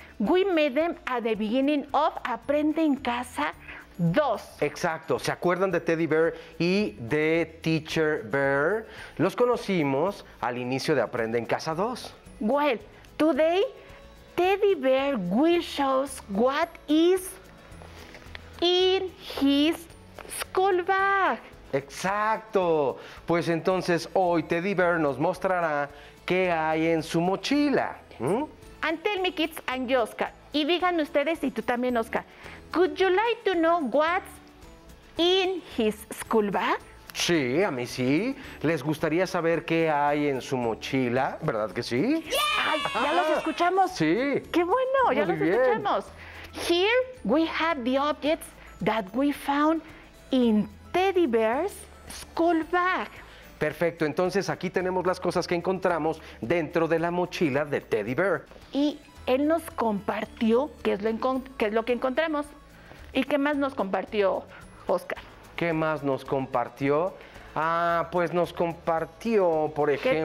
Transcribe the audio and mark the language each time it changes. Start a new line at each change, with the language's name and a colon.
English: We made them at the beginning of Aprende en Casa 2.
Spanish: Exacto, ¿se acuerdan de Teddy Bear y de Teacher Bear? Los conocimos al inicio de Aprende en Casa 2.
English: Well, Today, Teddy Bear will show what is in his school bag.
Spanish: ¡Exacto! Pues entonces hoy Teddy Bear nos mostrará qué hay en su mochila.
English: And tell me, kids, and you, Oscar.
Spanish: Y digan ustedes, y tú también, Oscar.
English: Could you like to know what's in his school bag?
Spanish: Sí, a mí sí. ¿Les gustaría saber qué hay en su mochila? ¿Verdad que sí? ¡Ay, ya los escuchamos! ¡Sí! ¡Qué bueno! Muy ya los bien. Escuchamos.
English: Here we have the objects that we found in Teddy Bear's school bag.
Spanish: Perfecto, entonces aquí tenemos las cosas que encontramos dentro de la mochila de Teddy Bear. Y él nos compartió qué es lo que encontramos. ¿Y qué más nos compartió, Oscar? ¿Qué más nos compartió? Ah, pues nos compartió, por ejemplo...